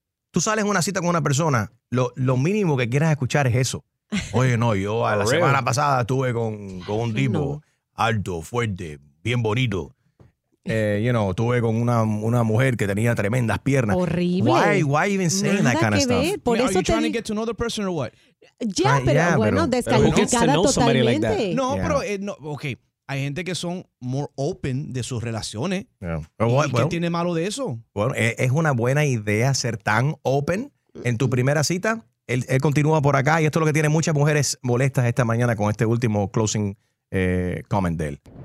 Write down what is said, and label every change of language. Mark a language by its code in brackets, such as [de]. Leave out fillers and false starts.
[es] Tú sales en una cita con una persona, lo mínimo que quieras escuchar es eso. Oye, no, yo a la semana pasada estuve con un tipo alto, fuerte, bien bonito. Estuve con una mujer que tenía tremendas piernas. Horrible. [en] Why even saying that kind of stuff? [es] Por eso [en] are you trying to get to another person or what? [es] Descalificada totalmente. [en] Like that. Okay. [es] Hay gente que son [en] more open [es] de sus relaciones. Yeah. ¿Qué tiene malo de eso? Bueno, es una buena idea ser tan open en tu primera cita. Él continúa por acá y esto es lo que tiene muchas mujeres molestas esta mañana con este último closing comment de él.